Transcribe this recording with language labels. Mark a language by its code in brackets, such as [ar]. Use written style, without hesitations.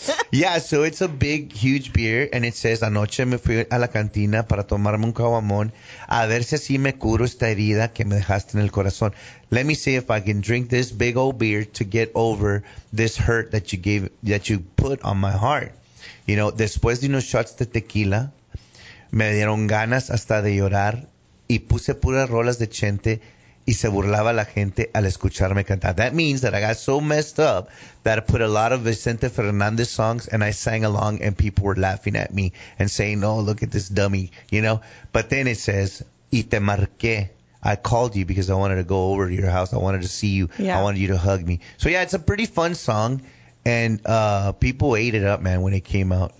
[en] Yeah, so it's a big, huge beer, and it says, [es] anoche me fui a la cantina para tomarme un caguamón, a ver si así me curo esta herida que me dejaste en el corazón. [en] Let me see if I can drink this big old beer to get over this hurt that you put on my heart. You know, [es] después de unos shots de tequila, me dieron ganas hasta de llorar, y puse puras rolas de Chente, y se burlaba la gente al escucharme cantar. [en] That means that I got so messed up that I put a lot of Vicente Fernandez songs and I sang along, and people were laughing at me and saying, oh, look at this dummy, you know. But then it says, [es] y te marqué. [en] I called you because I wanted to go over to your house. I wanted to see you. Yeah. I wanted you to hug me. So, yeah, it's a pretty fun song. And people ate it up, man, when it came out.